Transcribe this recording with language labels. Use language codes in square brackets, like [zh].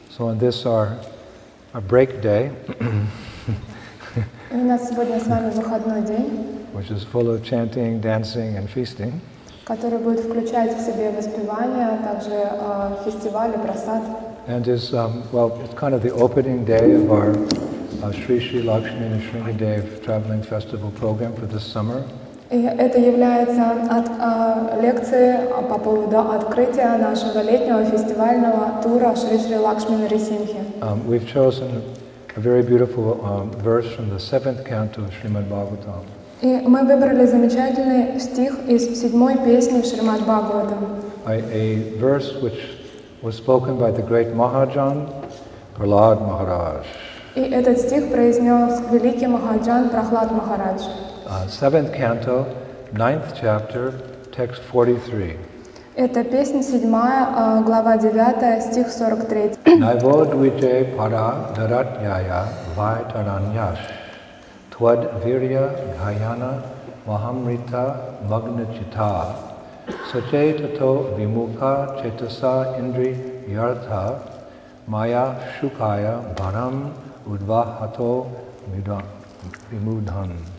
[en] So on this, our break day, which is full of chanting, dancing, and feasting, and is, well, it's kind of the opening day of our Sri Sri Lakshmi and Sringadev traveling festival program for this summer. [ru] И это является лекцией по поводу открытия нашего летнего фестивального тура Шри Шри Лакшми Нарисимхи. [en] We've chosen a very beautiful verse from the seventh canto of Shrimad Bhagavatam. [ru] И мы выбрали замечательный стих из седьмой песни Шримад Бхагаватам. [en] A verse which was spoken by the great Mahajan, Prahlad Maharaj. [ru] И этот стих произнес великий Махаджан Прахлад Махарадж. [en] Seventh canto, ninth chapter, text 43. [ru] Это песня седьмая, глава девятая, стих 43. [sa] Наво двиче пара даратьяя вайтараньяш твад вирья гхайяна махамрита магначита саче тато вимука четаса индри яртха майя шукая барам удвахато вимудхан.